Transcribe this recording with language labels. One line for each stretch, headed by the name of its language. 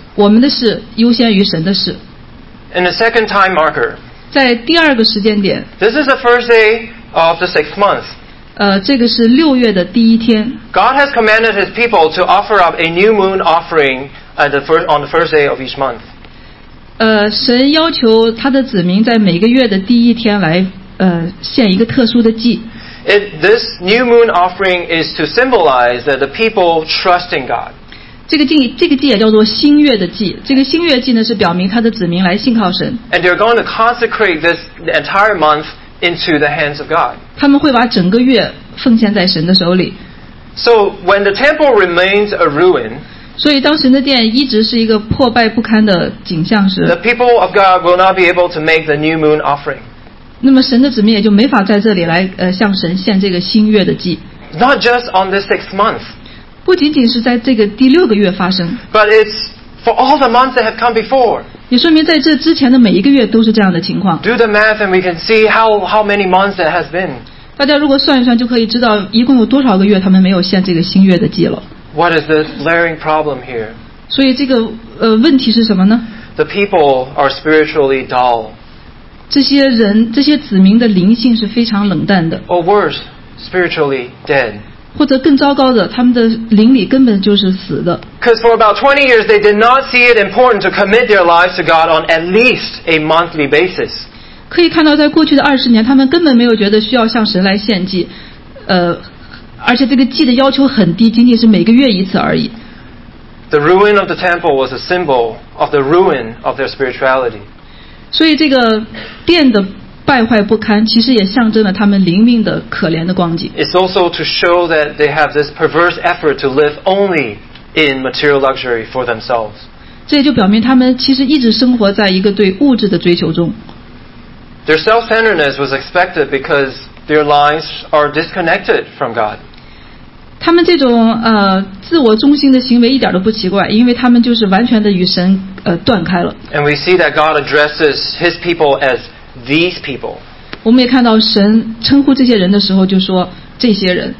Chinese: 我们的事优先于神的事。
English: In the second time marker.
Chinese: 在第二个时间点。
English: This is the first day of the sixth month.
Chinese: 这个是六月的第一天。
English: God has commanded his people to offer up a new moon offering at the first, on the first day of each month.
Chinese: 神要求他的子民在每个月的第一天来献一个特殊的祭。
English: This new moon offering is to symbolize that the people trust in God.
Chinese: 这个祭也叫做新月的祭。这个新月祭呢，是表明他的子民来信靠神。
English: And they're going to consecrate this entire month into the hands of God.
Chinese: 他们会把整个月奉献在神的手里。
English: So when the temple remains a ruin,
Chinese: 所以当神的殿一直是一个破败不堪的景象时，
English: the people of God will not be able to make the new moon offering.
Chinese: 那么神的子民也就没法在这里来向神献这个新月的祭。
English: Not just on the sixth month.
Chinese: 不仅仅是在这个第六个月发生。
English: But it's for all the months that have come before.
Chinese: 也说明在这之前的每一个月都是这样的情况。
English: Do the math and we can see how many months it has been.
Chinese: 大家如果算一算就可以知道一共有多少个月他们没有献这个新月的祭了。
English: What is this glaring problem here?
Chinese: 所以这个问题是什么呢？
English: The people are spiritually dull.
Chinese: 这些人这些子民的灵性是非常冷淡的。
English: Or worse, spiritually dead.
Chinese: 或者更糟糕的，他们的灵里根本就是死的。
English: Because for about 20 years they did not see it important to commit their lives to God on at least a monthly basis.
Chinese: 可以看到在过去的20年他们根本没有觉得需要向神来献祭，而且这个祭的要求很低，仅仅是每个月一次而已。
English: The ruin of the temple was a symbol of the ruin of their spirituality.
Chinese: 所以这个殿的败坏不堪其实也象征了他们灵命的可怜的光景。
English: It's also to show that they have this perverse effort to live only in material luxury for themselves.
Chinese: 这就表明他们其实一直生活在一个对物质的追求中。
English: Their self-centeredness was expected because their lives are disconnected from God.
Chinese: 他们这种自我中心的行为一点都不奇怪，因为他们就是完全的与神断开了。
English: And we see that God addresses His people as these people.
Chinese: 我们也看到神称呼这些人的时候就说这些人。